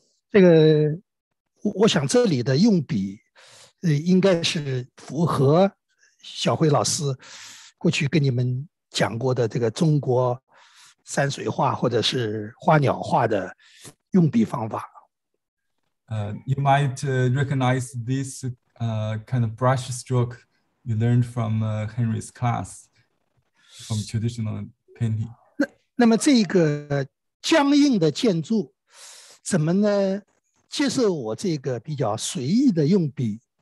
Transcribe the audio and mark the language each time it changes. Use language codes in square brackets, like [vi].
[zh] 这个 我想这里的用笔应该是符合小辉老师过去跟你们讲过的这个中国山水画或者是花鸟画的用笔方法。 [en] You might recognize this kind of brush stroke you learned from Henry's class from traditional painting. [zh] 那么这个僵硬的建筑怎么呢接受我这个比较随意的用笔